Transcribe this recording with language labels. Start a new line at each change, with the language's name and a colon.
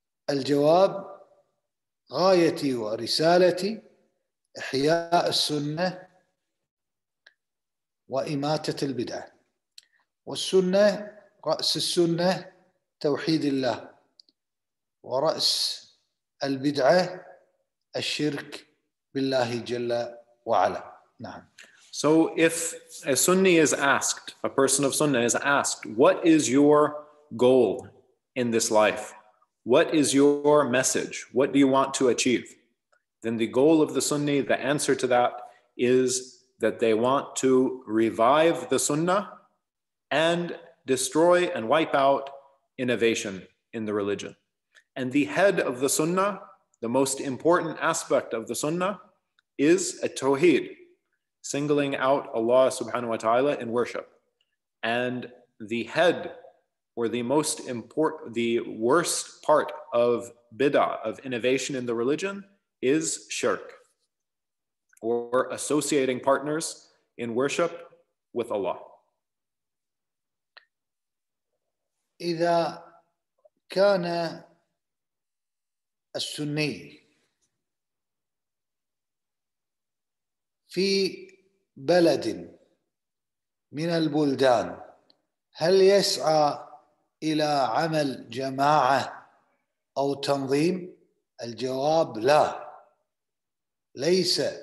Arabic: Al-jawab: غايتي ورسالتي إحياء السنة وإماتة البدعة. والسنة رأس السنة توحيد الله، ورأس البدعة الشرك بالله جل وعلا. نعم.
English: So if a Sunni is asked, a person of Sunnah is asked, what is your goal in this life? What is your message? What do you want to achieve? Then the goal of the Sunni, the answer to that is that they want to revive the Sunnah and destroy and wipe out innovation in the religion. And the head of the Sunnah, the most important aspect of the Sunnah, is a tawheed, singling out Allah subhanahu wa ta'ala in worship. And the head, or the most important, the worst part of bidah, of innovation in the religion, is shirk, or associating partners in worship with Allah.
Arabic: إذا كان السني في بلد من البلدان هل يسعى إلى عمل جماعة أو تنظيم؟ الجواب لا، ليس